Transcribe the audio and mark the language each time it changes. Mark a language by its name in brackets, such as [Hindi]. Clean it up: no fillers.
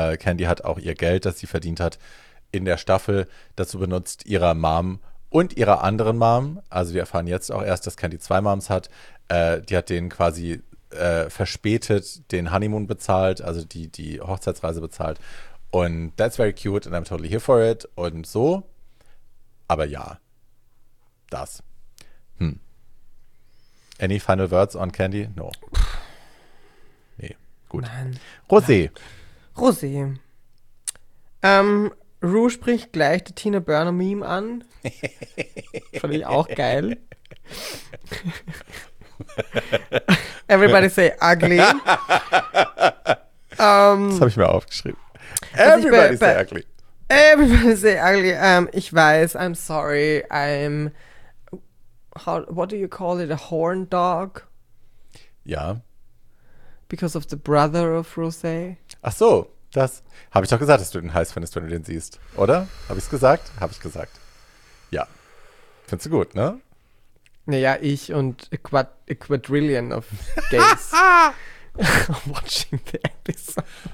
[German] Candy hat auch ihr Geld, das sie verdient hat, in der Staffel dazu benutzt, ihrer Mom und ihrer anderen Mom. Also wir erfahren jetzt auch erst, dass Candy 2 Moms hat. Die hat denen quasi verspätet den Honeymoon bezahlt, also die Hochzeitsreise bezahlt. [English] Und that's very cute and I'm totally here for it. [German] Und so. Aber ja. Das. Hm. [English] Any final words on Candy? [German] No. Nee, gut. Nein. Rosé. Nein. Rosé. Rue spricht gleich die Tina Burner Meme an. Fand ich auch geil. [English] Everybody say ugly. [German] Das habe ich mir aufgeschrieben. [English] Everybody say ugly. Everybody say ugly. [German] Ich weiß, [English] I'm sorry, I'm... what do you call it? A horn dog? [German] Ja. [English] Because of the brother of Rosé. [German] Ach so, das habe ich doch gesagt, dass du den heiß findest, wenn du den siehst. Oder? Habe ich es gesagt? Habe ich gesagt. Ja. Findest du gut, ne? Naja, ich und [English] a quadrillion of gays watching the episode.